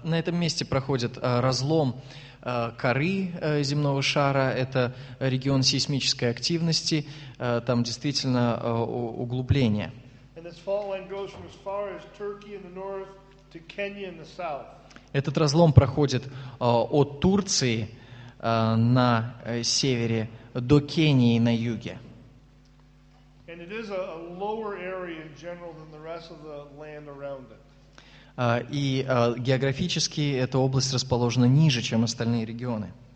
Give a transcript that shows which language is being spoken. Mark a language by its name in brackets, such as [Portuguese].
[Russian] На этом месте проходит разлом коры земного шара. Это регион сейсмической активности. Там действительно углубление. [English] And this fault line goes from as far as Turkey in the north to Kenya in the south. [Russian] Этот разлом проходит от Турции на севере до Кении на юге. [English] And it is a lower area in general than the rest of the land around it. [Russian] Географически эта область расположена ниже, чем остальные регионы.